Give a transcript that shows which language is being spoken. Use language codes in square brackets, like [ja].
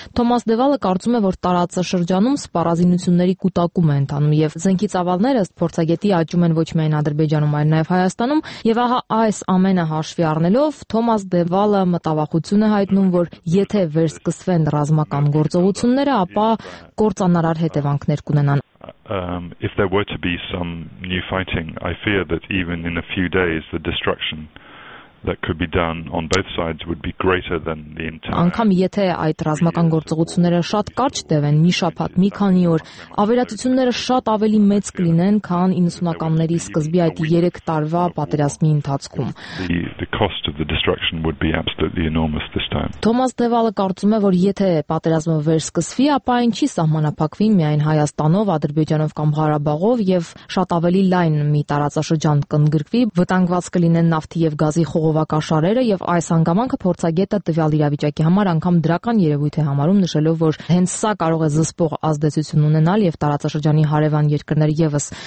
[hy] Թոմաս Դևալը կարծում է, որ տարածքը շրջանում սպառազինությունների կուտակում է ընթանում, և զենքի ծավալները ըստ փորձագետի աճում են ոչ միայն Ադրբեջանում, այլ նաև Հայաստանում, և ահա այս ամենը հաշվի առնելով Թոմաս Դևալը մտավախություն է հայտնում, որ եթե վերսկսվեն ռազմական գործողությունները, ապա կործանարար հետևանքներ կունենան։ [en] If there were to be some new fighting, I fear that even in a few days the destruction that could be done on both sides would be greater than the entire. [hy] Անկամ եթե այդ ռազմական գործողությունները շատ կարճ տևեն, մի շաբաթ, մի քանի օր, ավերածությունները շատ ավելի մեծ կլինեն, քան 90-ականների սկզբի այդ 3 տարվա պատերազմի ընթացքում. [en] The cost of the destruction would be absolutely enormous this time. [hy] Թոմաս Դևալը կարծում է, որ եթե պատերազմը վերսկսվի, ապա այն չի սահմանափակվի միայն Հայաստանով, Ադրբեջանով կամ Ղարաբաղով, եւ շատ ավելի լայն մի տարածաշրջան կընդգրկվի, վտանգված կլինեն նավթի եւ գազի խողովակաշարերը, եւ այս հանգամանքը փորձագետը տվյալ իրավիճակի համար անգամ դրական երևույթ է համարում, նշելով, որ հենց սա կարող է զսպող ազդեցություն ունենալ, եւ տարածաշրջանի հարևան երկրները եւս